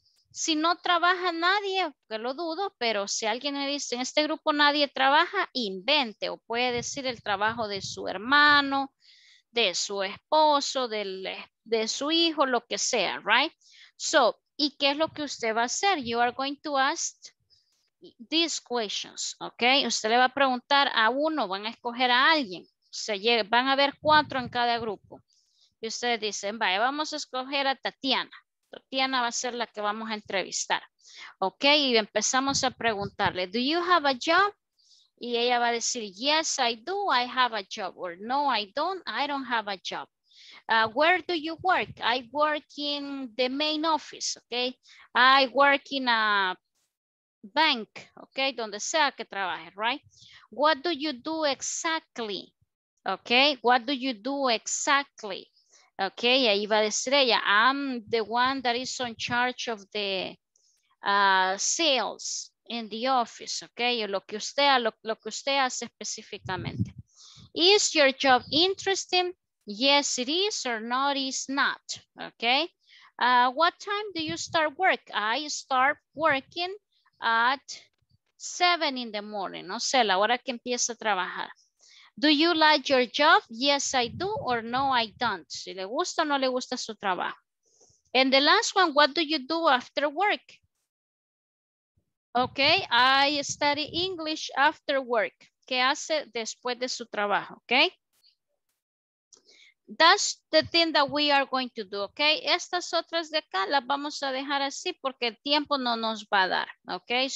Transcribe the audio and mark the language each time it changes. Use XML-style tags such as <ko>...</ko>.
<es>Si no trabaja nadie, que lo dudo, pero si alguien le dice en este grupo nadie trabaja, invente o puede decir el trabajo de su hermano, de su esposo, de su hijo, lo que sea, right? So, ¿y qué es lo que usted va a hacer?</es> <en>You are going to ask these questions, okay?</en> <es>Usted le va a preguntar a uno, van a escoger a alguien, van a haber cuatro en cada grupo. Y ustedes dicen, vaya, vamos a escoger a Tatiana. Tatiana va a ser la que vamos a entrevistar. Ok, y empezamos a preguntarle,</es> <en>do you have a job?</en> <es>Y ella va a decir,</es> <en>yes, I do, I have a job. Or no, I don't have a job. Where do you work? I work in the main office, okay? I work in a bank, okay?</en> <es>Donde sea que trabaje,</es> <en>right? What do you do exactly? Okay, what do you do exactly? Okay,</en> <es>ahí va a decir ella,</es> <en>I'm the one that is in charge of the sales in the office, okay?</en> <es>Lo que usted, lo que usted hace específicamente.</es> <en>Is your job interesting? Yes, it is, or no, it is not, okay? What time do you start work? I start working at 7 in the morning.</en> <es>No sé, la hora que empieza a trabajar.</es> <en>Do you like your job? Yes, I do, or no, I don't.</en> <es>Si le gusta o no le gusta su trabajo.</es> <en>And the last one, what do you do after work? Okay, I study English after work.</en> <es>¿Qué hace después de su trabajo? Okay.</es> <en>That's the thing that we are going to do, okay?</en> <es>Estas otras de acá las vamos a dejar así porque el tiempo no nos va a dar, okay?</es>